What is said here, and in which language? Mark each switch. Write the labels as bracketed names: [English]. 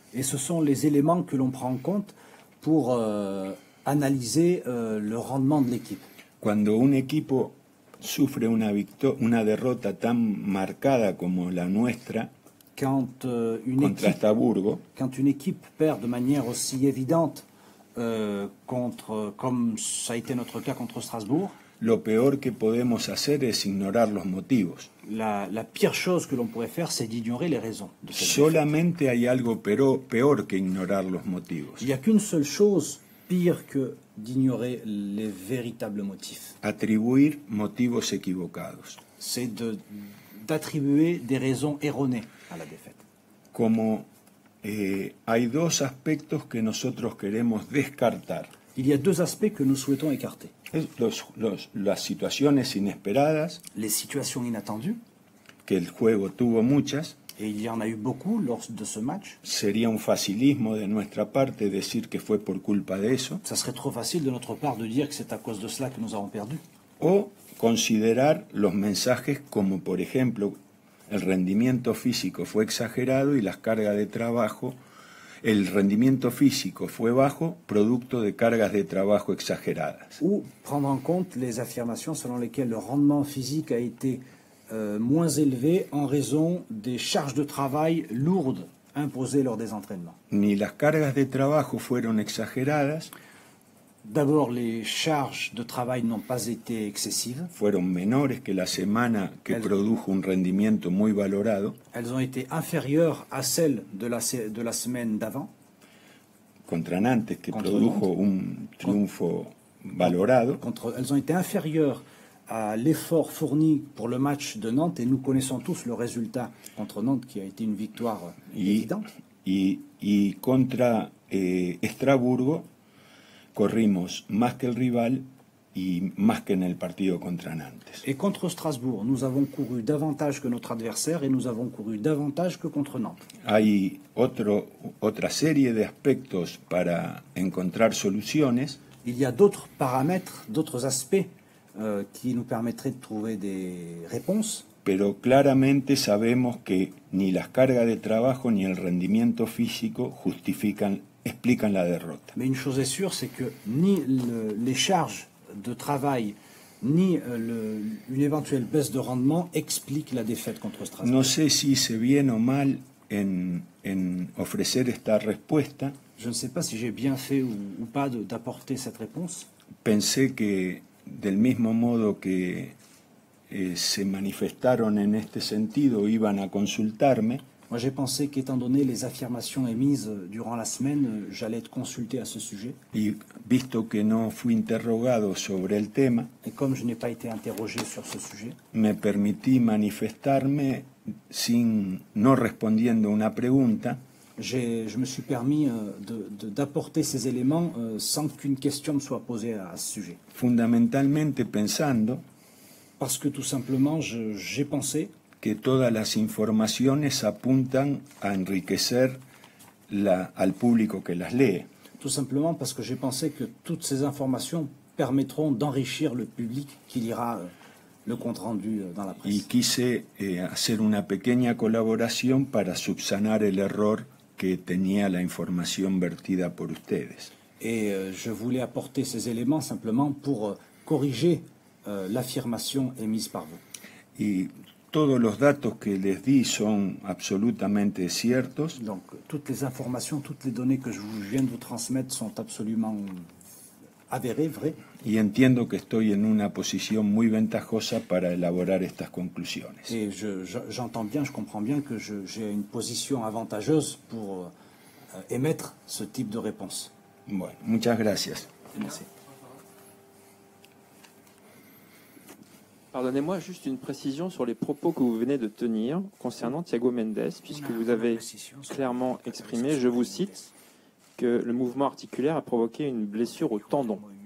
[French] Et ce sont les éléments que l'on prend en compte pour analyser le rendement de l'équipe. [Spanish] Cuando un equipo sufre una derrota tan marcada como la nuestra, [French] quand une équipe perd de manière aussi évidente comme ça a été notre cas contre Strasbourg, [Spanish] lo peor que podemos hacer es ignorar los motivos. [French] La pire chose que l'on pourrait faire, c'est d'ignorer les raisons. [Spanish] Solamente hay algo peor que ignorar los motivos. [French] Il n'y a qu'une seule chose pire que d'ignorer les véritables motifs. [Spanish] Atribuir motivos equivocados. [French] C'est d'attribuer des raisons erronées à la défaite. [Spanish] Como hay dos aspectos que nosotros queremos descartar. [French] Il y a deux aspects que nous souhaitons écarter. [Spanish] Las situaciones inesperadas. [French] Les situations inattendues. [Spanish] Que el juego tuvo muchas. [French] Et il y en a eu beaucoup lors de ce match. [Spanish] Sería un facilismo de nuestra parte decir que fue por culpa de eso. [French] Ça serait trop facile de notre part de dire que c'est à cause de cela que nous avons perdu. [Spanish] O considerar los mensajes como, por ejemplo, el rendimiento físico fue exagerado y las cargas de trabajo. El rendimiento físico fue bajo, producto de cargas de trabajo exageradas. [French] Ou prendre en compte les affirmations selon lesquelles le rendement physique a été moins élevé en raison des charges de travail lourdes imposées lors des entraînements. [Spanish] Ni las cargas de trabajo fueron exageradas. [French] D'abord, les charges de travail n'ont pas été excessives. [Spanish] Fueron menores que la semana que produjo un rendimiento muy valorado. [French] Elles ont été inférieures à celles de la semaine d'avant. [Spanish] Contra Nantes, que produjo un triunfo valorado. [French] Elles ont été inférieures à l'effort fourni pour le match de Nantes, et nous connaissons tous le résultat contre Nantes, qui a été une victoire évidente. [Spanish] Y contra Estrasburgo, corrimos más que el rival y más que en el partido contra Nantes. [French] Et contre Strasbourg, nous avons couru davantage que notre adversaire et nous avons couru davantage que contre Nantes. [Spanish] Hay otra serie de aspectos para encontrar soluciones. [French] Il y a d'autres paramètres, d'autres aspects qui nous permettraient de trouver des réponses. [Spanish] Pero claramente sabemos que ni las cargas de trabajo ni el rendimiento físico explican la derrota. [French] Mais une chose est sûre, c'est que ni les charges de travail ni une éventuelle baisse de rendement explique la défaite contre Strasbourg. [Spanish] No sé si [French] c'est bien [Spanish] o mal en ofrecer esta respuesta. [French] Je ne sais pas si j'ai bien fait ou pas d'apporter cette réponse. [Spanish] Pensé que del mismo modo que se manifestaron en este sentido iban a consultarme. [French] Moi, j'ai pensé qu'étant donné les affirmations émises durant la semaine, j'allais être consulté à ce sujet. [Spanish] Y visto que no fui interrogado sobre el tema, [French] et comme je n'ai pas été interrogé sur ce sujet, [Spanish] me permití manifestarme sin no respondiendo una pregunta. [French] Je me suis permis d'apporter ces éléments sans qu'une question me soit posée à ce sujet. [Spanish] Fundamentalmente pensando, [French] parce que tout simplement, j'ai pensé [Spanish] que todas las informaciones apuntan a enriquecer al público que las lee. [French] Tout simplement parce que j'ai pensé que toutes ces informations permettront d'enrichir le public qui lira le compte rendu dans la presse. [Spanish] Y quise hacer una pequeña colaboración para subsanar el error que tenía la información vertida por ustedes. [French] Et je voulais apporter ces éléments simplement pour corriger l'affirmation émise par vous. [Spanish] Y todos los datos que les di son absolutamente ciertos. [French] Donc, toutes les informations, toutes les données que je viens de vous transmettre sont absolument avérées, vraies. [Spanish] Y entiendo que estoy en una posición muy ventajosa para elaborar estas conclusiones. [French] Et j'entends bien, je comprends bien que j'ai une position avantageuse pour émettre ce type de réponse. [Spanish] Bueno, muchas gracias. [French] Merci. Pardonnez-moi juste une précision sur les propos que vous venez de tenir concernant Thiago Mendes, puisque vous avez clairement exprimé, je vous cite, que le mouvement articulaire a provoqué une blessure au tendon.